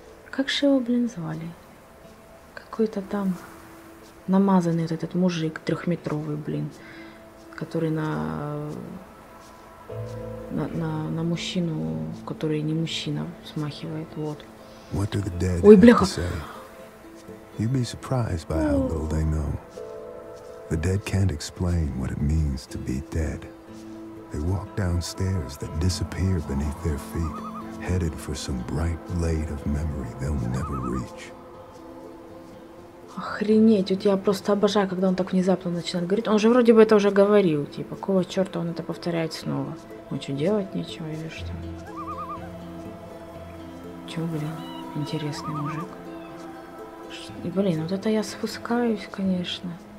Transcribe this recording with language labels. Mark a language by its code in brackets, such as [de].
[ru] Как же его, блин, звали? Какой-то там... Намазанный вот этот мужик трехметровый, блин, который на мужчину, который не мужчина, смахивает, вот. Ой, бляха! [en] You'd be surprised by how little they know. The dead can't explain what it means to be dead. They walk down stairs that disappear beneath their feet, headed for some bright blade of memory they'll never reach. [ru] Охренеть, вот я просто обожаю, когда он так внезапно начинает говорить. Он же вроде бы это уже говорил, типа, какого черта он это повторяет снова? Ну что, делать нечего или что? Че, блин, интересный мужик. И, блин, вот это я спускаюсь, конечно.